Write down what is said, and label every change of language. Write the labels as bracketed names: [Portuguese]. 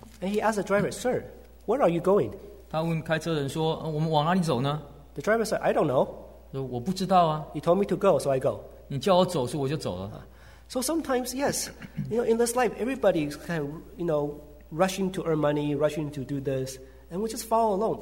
[English] And he asked the driver, sir, where are you going? [Chinese] 他问开车人说, 我们往哪里走呢? [English] The driver said, I don't know. [Chinese] 我不知道啊。 [English] He told me to go, so I go. [Chinese] 你叫我走, 所以我就走了。 [English] So sometimes, yes, you know, in this life, everybody is kind of, you know, rushing to earn money, rushing to do this, and we just follow along.